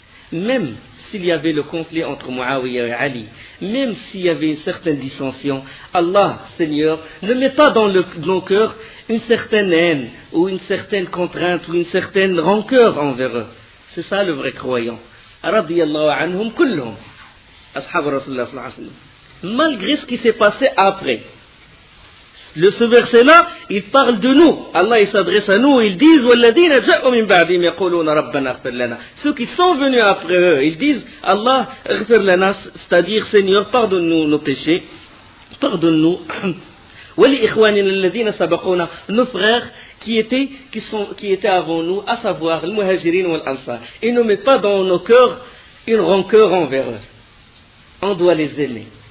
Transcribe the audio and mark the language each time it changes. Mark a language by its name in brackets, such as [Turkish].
[French] Même s'il y avait le conflit entre Muawiyah et Ali, même s'il y avait une certaine dissension, Allah, Seigneur, ne met pas dans nos cœurs une certaine haine, ou une certaine contrainte, ou une certaine rancœur envers eux. C'est ça le vrai croyant. Radiallahu anhum kullum. Ashab Rasulullah sallallahu alayhi wa sallam. Malgré ce qui s'est passé après. Ce verset-là, il parle de nous. Allah, il s'adresse à nous. Ils disent, [Arabic] وَالَّذِينَ جَاءُوا مِنْ بَعْدِهِمْ يَقُولُونَ رَبَّنَا اغْفِرْ لَنَا. [French] Ceux qui sont venus après eux, ils disent, Allah, [Arabic] اغْفِرْ لَنَا. [French] C'est-à-dire, Seigneur, pardonne-nous nos péchés. Pardonne-nous. [Arabic] وَلِإِخْوَانِنَا الَّذِينَ سَبَقُونَا. [French] Nos frères qui étaient avant nous, à savoir les muhajirines ou l'ansar. Et ne met pas dans nos cœurs une rancœur envers eux. On doit les aimer.